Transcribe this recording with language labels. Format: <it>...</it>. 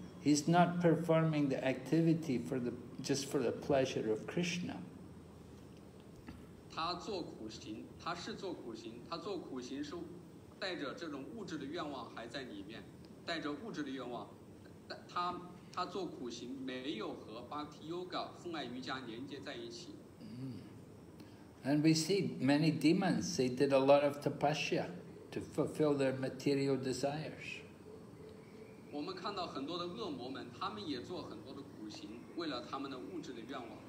<en>He's not performing the activity for the pleasure of Krishna.</en> <zh>他做苦行，他是做苦行，他做苦行是带着这种物质的愿望还在里面，带着物质的愿望。他做苦行没有和 Bhakti Yoga 奉爱瑜伽连接在一起。</zh> <en>And we see many demons, they did a lot of tapasya. To fulfill their material desires.</en> <zh>我们看到很多的恶魔们，他们也做很多的苦行，为了他们的物质的愿望。</zh>